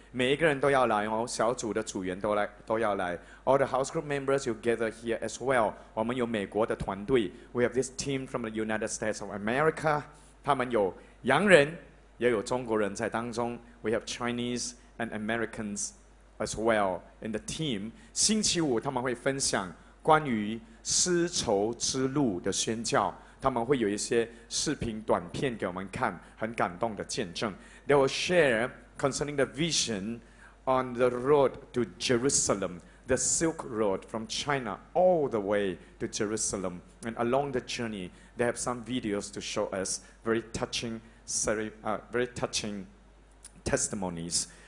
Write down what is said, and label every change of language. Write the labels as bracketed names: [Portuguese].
[Chinese] 每一个人都要来哦，小组的组员都要来。 [English] All the house group members will gather here as well. [Chinese] 我们有美国的团队 [English] We have this team from the United States of America. [Chinese] 他们有洋人也有中国人在当中 [English] We have Chinese and Americans as well in the team. [Chinese] 星期五他们会分享关于丝绸之路的宣教，他们会有一些视频短片给我们看，很感动的见证。 [English] They will share concerning the vision on the road to Jerusalem, the Silk Road from China all the way to Jerusalem. And along the journey, they have some videos to show us, very touchingvery touching testimonies.